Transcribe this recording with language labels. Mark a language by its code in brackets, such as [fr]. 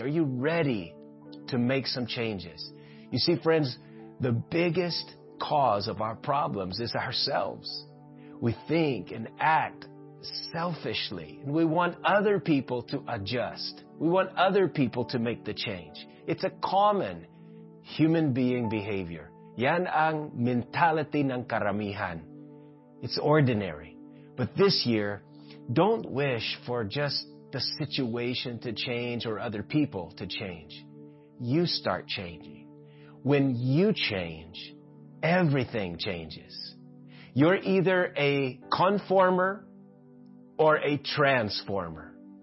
[en] Are you ready to make some changes? You see, friends, the biggest cause of our problems is ourselves. We think and act selfishly. And we want other people to adjust. We want other people to make the change. It's a common human being behavior. [tl] Yan ang mentality ng karamihan. [en] It's ordinary. But this year, don't wish for just the situation to change or other people to change. You start changing. When you change, everything changes. You're either a conformer or a transformer.